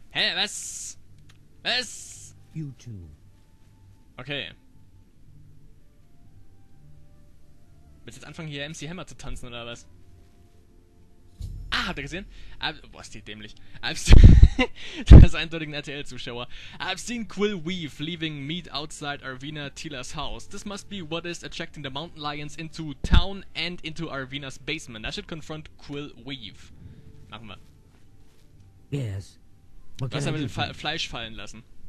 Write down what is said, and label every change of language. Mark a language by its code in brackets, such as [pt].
[de] Hä, was? Was? [en] You too. Okay. [de] Willst du jetzt anfangen, hier MC Hammer zu tanzen, oder was? Ah, habt ihr gesehen? Boah, ist die dämlich. Das ist eindeutig ein RTL-Zuschauer. [en] I've seen Quill Weave leaving meat outside Arvina Tila's house. This must be what is attracting the mountain lions into town and into Arvina's basement. I should confront Quill Weave. [de] Machen wir. [en] Yes. [de] Was er mit dem Fleisch fallen lassen.